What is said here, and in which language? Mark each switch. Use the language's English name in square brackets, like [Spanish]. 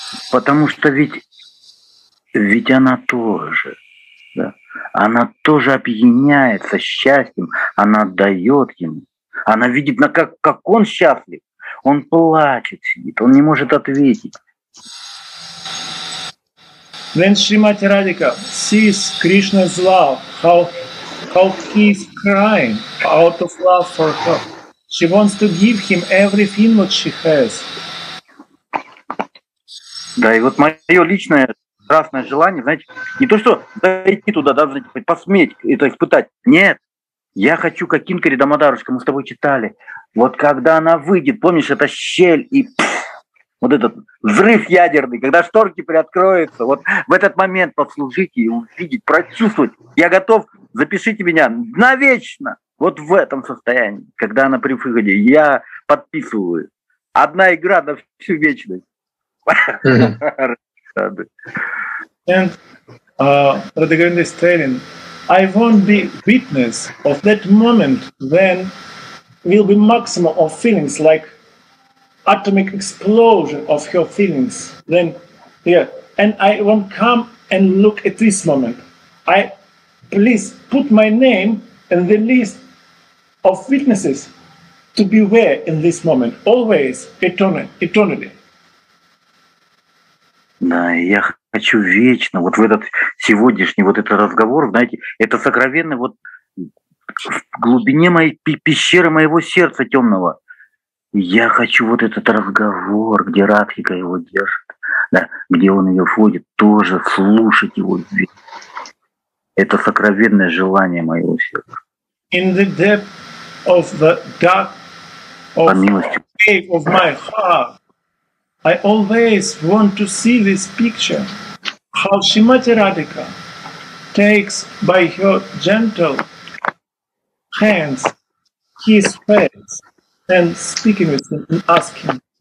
[Russian] Потому что ведь она тоже, да, она тоже объединяется счастьем, она отдает ему, она видит, как он счастлив, он плачет, сидит, он не может ответить. [English] Then Shrimati Radhika sees Krishna's love, how he is crying out of love for her. She wants to give him everything what she has. [Russian] Да, и вот мое личное страстное желание, знаете, не то что дойти туда, да, знаете, посметь это испытать. Нет, я хочу, как Кинкари, Дамодарушка, мы с тобой читали, вот когда она выйдет, помнишь, эта щель и вот этот взрыв ядерный, когда шторки приоткроются, вот в этот момент послужить и увидеть, прочувствовать. Я готов, запишите меня навечно, вот в этом состоянии, когда она при выходе. Я подписываю. Одна игра на всю вечность. [English] And Radhagovinda is telling, I won't be witness of that moment when will be maximum of feelings like atomic explosion of her feelings, then, yeah, and I won't come and look at this moment. I please put my name in the list of witnesses to be where in this moment, always eternally. [Russian] Да, я хочу вечно, вот в этот сегодняшний вот этот разговор, знаете, это сокровенно вот в глубине моей пещеры моего сердца темного. Я хочу вот этот разговор, где Радхика его держит, да, где он ее входит, тоже слушать его. Это сокровенное желание моего сердца. [English] In the depth of the dark of the cave of my heart, I always want to see this picture, how Shrimati Radhika takes by her gentle hands his face and speaking with him and asking.